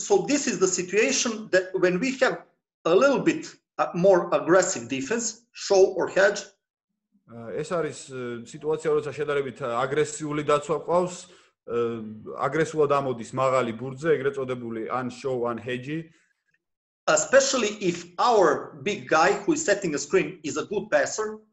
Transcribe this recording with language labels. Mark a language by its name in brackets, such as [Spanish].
[English] So this is the situation that when we have a little bit more aggressive defense, show or hedge. [Georgian] ეს არის სიტუაცია, როცა შედარებით აგრესიული დაცვა ყავს, აგრესიულად ამოდის მაღალი ბურძე, ეგრეთ წოდებული ან show ან hedge. [English] Especially if our big guy who is setting a screen is a good passer.